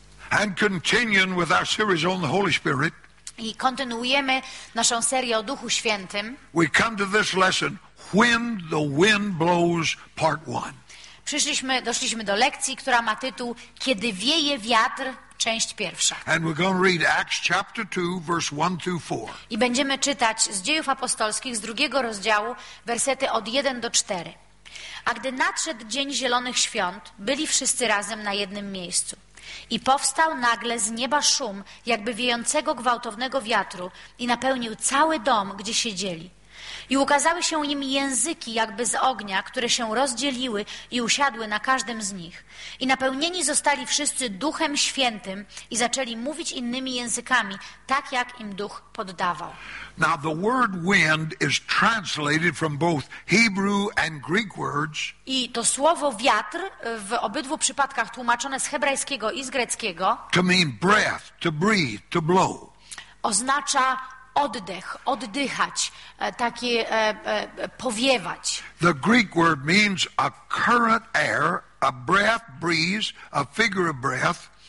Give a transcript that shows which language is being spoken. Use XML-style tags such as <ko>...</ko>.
<en>And continuing with our series on the Holy Spirit.</en> <pl>I kontynuujemy naszą serię o Duchu Świętym.</pl> <en>We come to this lesson, When the Wind Blows, Part 1.</en> <pl>Doszliśmy do lekcji, która ma tytuł Kiedy wieje wiatr, część pierwsza.</pl> <en>And we're going to read Acts chapter 2, verse 1-4.</en> <pl>I będziemy czytać z Dziejów Apostolskich, z drugiego rozdziału, wersety od 1 do 4. A gdy nadszedł Dzień Zielonych Świąt, byli wszyscy razem na jednym miejscu. I powstał nagle z nieba szum, jakby wiejącego gwałtownego wiatru, i napełnił cały dom, gdzie siedzieli. I ukazały się im języki, jakby z ognia, które się rozdzieliły i usiadły na każdym z nich. I napełnieni zostali wszyscy Duchem Świętym i zaczęli mówić innymi językami, tak jak im Duch poddawał.</pl> <en>Now the word wind is translated from both Hebrew and Greek words.</en> <pl>I to słowo wiatr w obydwu przypadkach tłumaczone z hebrajskiego i z greckiego.</pl> <en>To mean breath, to breathe, to blow.</en> <pl>Oznacza oddech, oddychać, takie powiewać.</pl> <en>The Greek word means a current air, a breath, breeze, a figure of breath.</en>